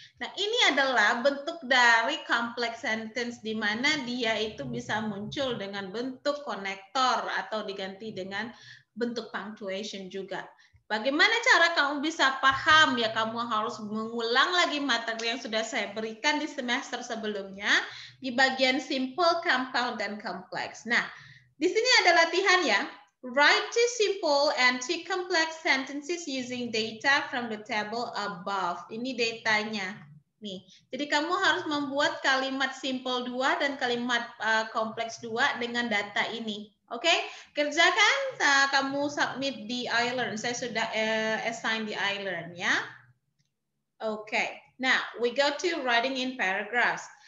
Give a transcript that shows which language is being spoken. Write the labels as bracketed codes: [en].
[id] Nah, ini adalah bentuk dari complex sentence di mana dia itu bisa muncul dengan bentuk konektor atau diganti dengan bentuk punctuation juga. Bagaimana cara kamu bisa paham? Ya, kamu harus mengulang lagi materi yang sudah saya berikan di semester sebelumnya di bagian simple, compound, dan complex. Nah, di sini ada latihan ya. [en] Write two simple and two complex sentences using data from the table above. [id] Ini datanya. Nih. Jadi kamu harus membuat kalimat simple 2 dan kalimat kompleks 2 dengan data ini. Oke, okay? Kerjakan, kamu submit di iLearn. Saya sudah assign di iLearn ya. Oke, okay. [en] Now we go to writing in paragraphs.